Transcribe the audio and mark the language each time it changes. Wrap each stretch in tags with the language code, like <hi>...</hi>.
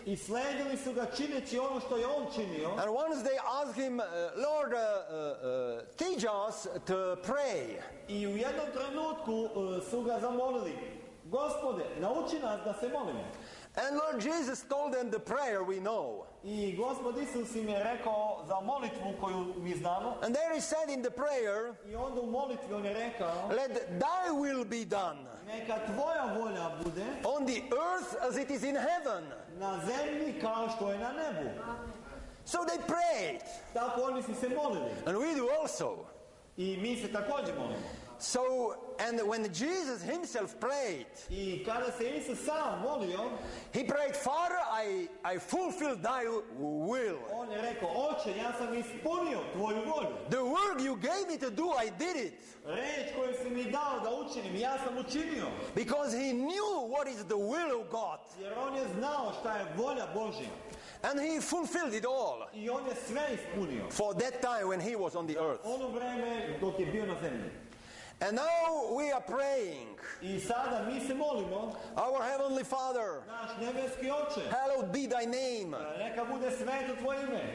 <sr>i sledili su ga čineći ono što je on činio,</sr> <en>and once they asked him, Lord, teach us to pray,</en> <sr>i u jednom trenutku su ga zamolili, Gospode, nauči nas da se molimo.</sr> <en>And Lord Jesus told them the prayer we know.</en> <sr>I Gospod Isus im je rekao za molitvu koju mi znamo.</sr> <en>And there he said in the prayer,</en> <sr>i onda u molitvi on je rekao,</sr> <en>let thy will be done.</en> <sr>Neka tvoja volja bude.</sr> <en>On the earth as it is in heaven.</en> <sr>Na zemlji kao što je na nebu.</sr> <en>So they prayed.</en> <sr>Tako oni su se molili.</sr> <en>And we do also.</en> <sr>I mi se također molimo.</sr> <en>So, and when Jesus himself prayed,</en> <sr>I kada se Isus sam molio,</sr> <en>he prayed, Father, I fulfill thy will.</en> <sr>On je rekao, Oče, ja sam ispunio tvoju volju.</sr> <en>The work you gave me to do, I did it.</en> <sr>Reč koju si mi dao da učinim, ja sam učinio.</sr> <en>Because he knew what is the will of God.</en> <sr>Jer on je znao šta je volja Božja.</sr> <en>And he fulfilled it all.</en> <sr>I on je sve ispunio.</sr> <en>For that time when he was on the earth.</en> <sr>Ono vreme dok je bio na zemlji.</sr> <en>And now we are praying.</en> <sr>I sada mi se molimo.</sr> <en>Our Heavenly Father,</en> <sr>naš nebeski Oče,</sr> <en>hallowed be thy name.</en> <sr>Neka bude sveto tvoje ime.</sr>